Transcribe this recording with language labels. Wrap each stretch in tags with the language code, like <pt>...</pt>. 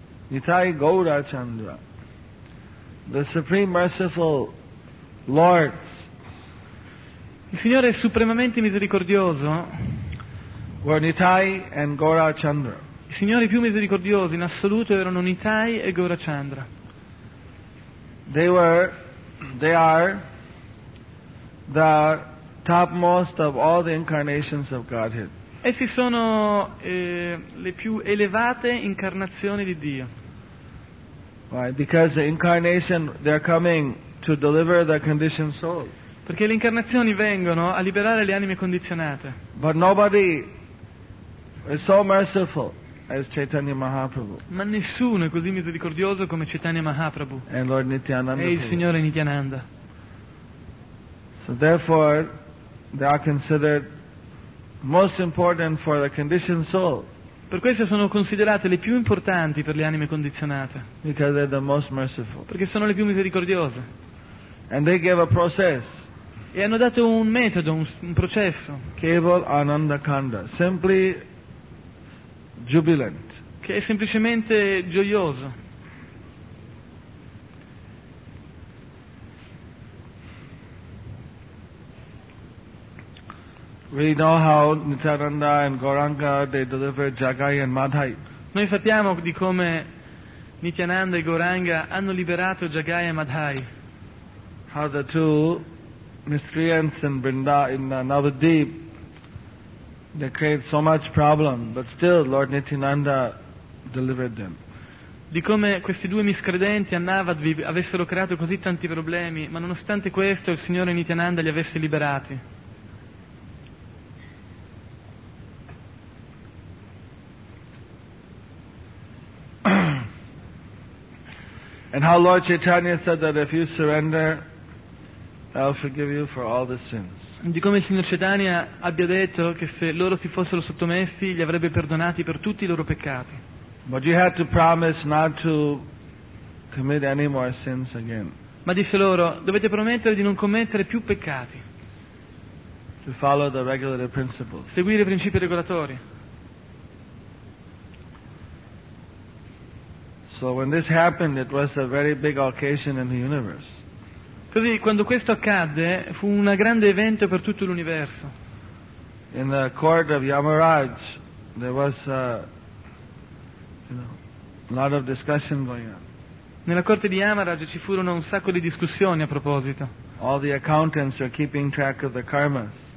<en>Nitai Gaura Chandra, the Supreme Merciful Lord.</en> <it>Il Signore è supremamente misericordioso.</it> <en>Were Nitai and Gaura Chandra.</en> <it>I Signori più misericordiosi in assoluto erano Nitai e Gaura Chandra.</it> <en>They are the topmost of all the incarnations of Godhead.</en> <it>Essi sono le più elevate incarnazioni di Dio.</it> <en>Why? Because the incarnation, they're coming to deliver the conditioned soul.</en> <it>Perché le incarnazioni vengono a liberare le anime condizionate.</it> <en>But nobody is so merciful as Chaitanya Mahaprabhu.</en> <it>Ma nessuno è così misericordioso come Chaitanya Mahaprabhu.</it> <en>And Lord Nityananda.</en> <it>E il Signore Nityananda.</it> <en>So therefore, they are considered most important for the conditioned soul.</en> <it>Per questo sono considerate le più importanti per le anime condizionate.</it> <en>Because they're the most merciful.</en> <it>Perché sono le più misericordiose.</it> <en>And they gave a process.</en> <it>E hanno dato un metodo, un processo.</it> <en>Keval Ananda Kanda, simply jubilant.</en> <it>Che è semplicemente gioioso.</it> <en>We know how Nityananda and Gauranga they deliver Jagai and Madhai.</en> <it>Noi sappiamo di come Nityananda e Gauranga hanno liberato Jagai e Madhai.</it> <en>How the two miscreants in Navadvip they create so much problem, but still Lord Nityananda delivered them.</en> <it>Di come questi due miscredenti a Navadvip avessero creato così tanti problemi, ma nonostante questo il Signore Nityananda li avesse liberati.</it> <en>And how Lord Chaitanya said that if you surrender, I'll forgive you for all the sins.</en> <it>Di come il Signore Chaitanya abbia detto che se loro si fossero sottomessi, gli avrebbe perdonati per tutti i loro peccati.</it> <en>But you had to promise not to commit any more sins again.</en> <it>Ma disse loro, dovete promettere di non commettere più peccati.</it> <en>To follow the regular principles.</en> <it>Seguire i principi regolatori.</it> <en>So when this happened, it was a very big occasion in the universe.</en> <it>Così quando questo accadde, fu un grande evento per tutto l'universo.</it> <en>In the court of Yamaraj, there was a lot of discussion going on.</en> <it>Nella corte di Yamaraj ci furono un sacco di discussioni a proposito.</it> <en>All the accountants are keeping track of the karmas.</en>